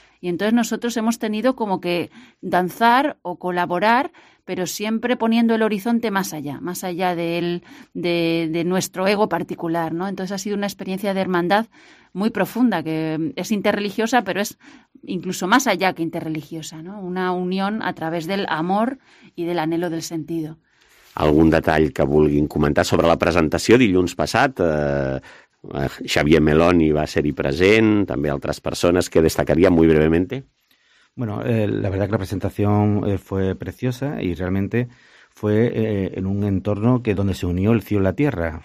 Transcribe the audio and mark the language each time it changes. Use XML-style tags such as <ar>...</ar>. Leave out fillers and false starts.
<es>Y entonces nosotros hemos tenido como que danzar o colaborar, pero siempre poniendo el horizonte más allá de nuestro ego particular, ¿no? Entonces ha sido una experiencia de hermandad muy profunda, que es interreligiosa, pero es incluso más allá que interreligiosa, ¿no? Una unión a través del amor y del anhelo del sentido.</es> <ca>Algun detall que vulguin comentar sobre la presentació dilluns passat? Xavier Meloni va ser-hi present, també altres persones que destacaria</ca> <es>muy brevemente. Bueno, la verdad que la presentación fue preciosa y realmente fue en un entorno que donde se unió el cielo y la tierra.</es>